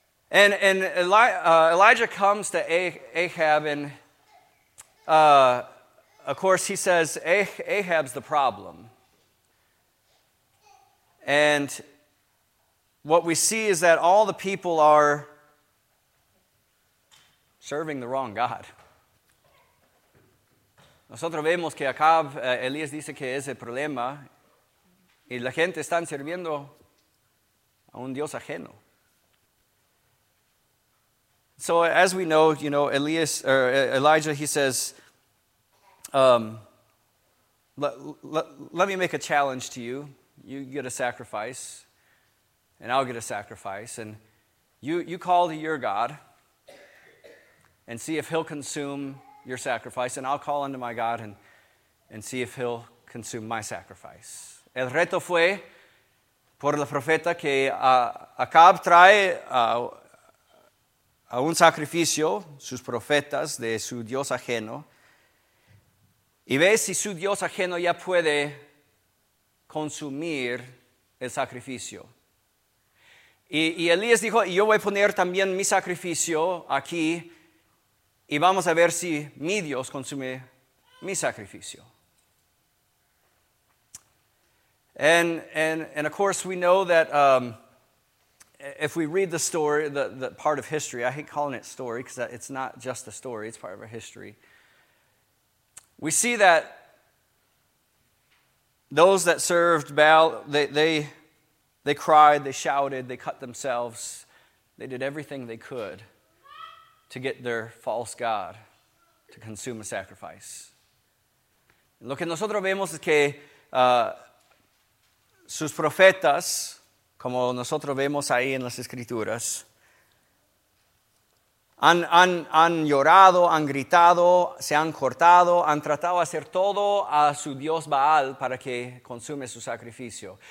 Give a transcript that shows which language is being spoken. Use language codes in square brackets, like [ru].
[en] And Elijah comes to Ahab, and of course he says, Ahab's the problem. And what we see is that all the people are serving the wrong God. [es] Nosotros vemos que Acab, Elías dice que es el problema, y la gente están sirviendo a un Dios ajeno. [en] So as we know, you know, Elijah, he says, let me make a challenge to you. You get a sacrifice, and I'll get a sacrifice, and you call to your God, and see if he'll consume your sacrifice. And I'll call unto my God and see if he'll consume my sacrifice. [es] El reto fue por el profeta que Acab trae a un sacrificio sus profetas de su Dios ajeno. Y ve si su Dios ajeno ya puede consumir el sacrificio. Y Elías dijo, yo voy a poner también mi sacrificio aquí. Y vamos a ver si mi Dios consume mi sacrificio. [en] And of course, we know that if we read the story, the part of history, I hate calling it story because it's not just a story, it's part of a history. We see that those that served Baal, they cried, they shouted, they cut themselves, they did everything they could to get their false god to consume a sacrifice. [es] Lo que nosotros vemos es que sus profetas, como nosotros vemos ahí en las Escrituras, han llorado, han gritado, se han cortado, han tratado de hacer todo a su Dios Baal para que consume su sacrificio.